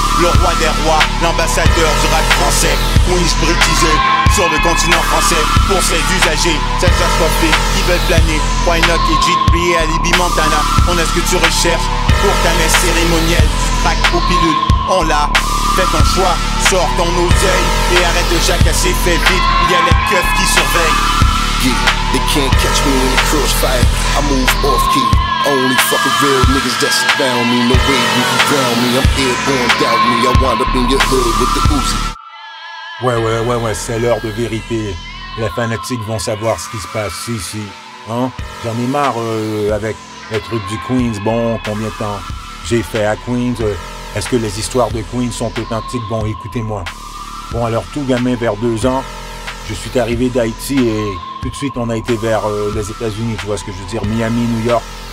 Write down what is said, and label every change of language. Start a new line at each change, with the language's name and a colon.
French: Le roi des rois, l'ambassadeur du rap français. Queensbridge, sur le continent français, pour ses usagers. Ces asphaltés qui veulent planer.
English: Why not
French: et G3 et Alibi Montana. On a ce que tu recherches pour ta messe cérémonielle. Pack ou pilule, on l'a. Fais ton choix, sors ton oseille et arrête de jacasser, fais vite. Il y a les keufs qui surveillent.
English: Yeah, they can't catch me in the crossfire. I move off key. Only fucking real niggas that's around me. No way you can ground me. I'm airborne, doubt me. I wind up in your hood with the Uzi.
French: Ouais, c'est l'heure de vérité. Les fanatiques vont savoir ce qui se passe ici, si, si. Hein? J'en ai marre avec les trucs du Queens. Bon, combien de temps j'ai fait à Queens? Est-ce que les histoires de Queens sont authentiques? Bon, écoutez-moi. Bon, alors tout gamin vers 2 ans, je suis arrivé d'Haïti et tout de suite on a été vers les États-Unis. Tu vois ce que je veux dire? Miami, New York.